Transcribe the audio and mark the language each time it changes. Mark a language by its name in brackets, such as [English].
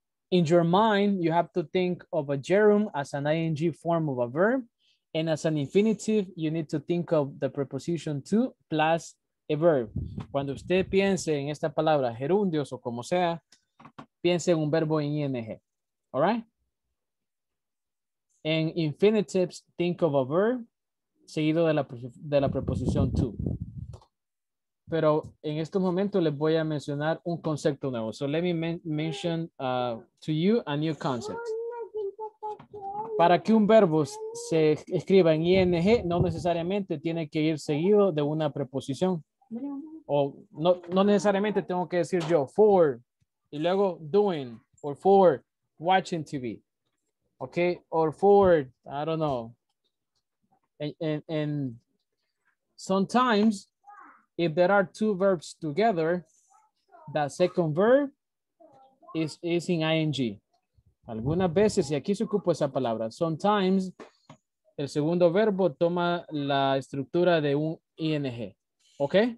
[English] In your mind, you have to think of a gerund as an ing form of a verb. And as an infinitive, you need to think of the preposition to plus a verb. [Spanish] Cuando usted piense en esta palabra, gerundios o como sea, piense en un verbo en ing. [English] All right? En infinitives, think of a verb [Spanish] seguido de la preposición [English] to. [Spanish] Pero en este momento les voy a mencionar un concepto nuevo. [English] So let me mention to you a new concept. [Spanish] Para que un verbo se escriba en ing, no necesariamente tiene que ir seguido de una preposición. O no necesariamente tengo que decir yo for y luego doing, [English] or for watching TV. Okay, or for, I don't know. And sometimes, if there are two verbs together, the second verb is in ing. [Spanish] Algunas veces, y aquí se ocupa esa palabra, sometimes el segundo verbo toma la estructura de un ing, ¿ok?